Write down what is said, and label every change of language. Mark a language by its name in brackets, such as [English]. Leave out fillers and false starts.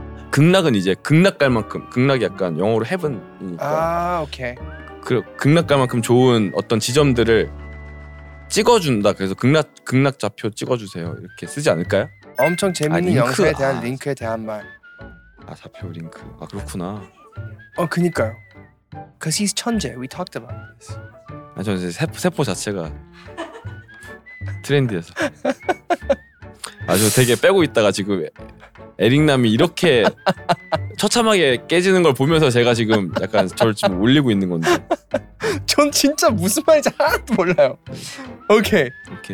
[Korean] 극락은 이제 극락 갈 만큼 극락이 약간 영어로 heaven이니까 아 오케이 그 극락 갈 만큼 좋은 어떤 지점들을 찍어준다 그래서 극락 좌표 찍어주세요 이렇게 쓰지 않을까요? 엄청 재밌는 아, 영상에 대한 아, 링크에 대한 말 아 좌표 링크 아 그렇구나 [English] 그니까요 Cause he's [Korean] 천재 [English] We talked about this [Korean] 아 저는 이제 세포 자체가 트렌디해서 아 저 되게 빼고 있다가 지금 에릭남이 이렇게 처참하게 깨지는 걸 보면서 제가 지금 약간 저를 지금 올리고 있는 건데 전 진짜 무슨 말인지 하나도 몰라요 오케이, 오케이.